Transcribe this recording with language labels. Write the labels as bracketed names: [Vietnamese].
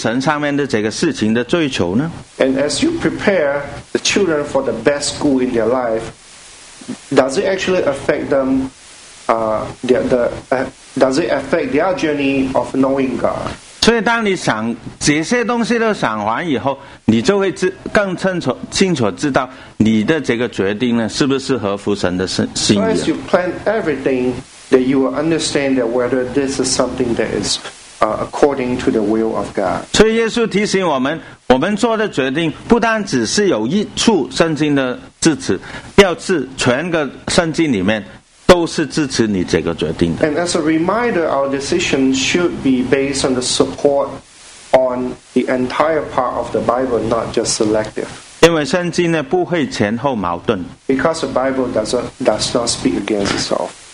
[Chinese] 还有，当你准备你的儿女的时候，会不会影响他们在认识神上面的这个事情的追求呢？ [English] And as you prepare the children for the best school in their life, does it actually affect them? Does it affect their journey of knowing God? [Chinese] 所以当你想这些东西都想完以后，你就会更清楚知道你的这个决定呢，是不是合乎神的心意。 [English] So as you plan everything, that you will understand that whether this is something that is according to the will of God. [Chinese] 所以耶稣提醒我们，我们做的决定不单只是有益处圣经的支持，要是全个圣经里面。 [English] And as a reminder, our decision should be based on the support on the entire part of the Bible, not just selective. [Chinese] 因为圣经呢，不会前后矛盾。 [English] Because the Bible does not speak against itself.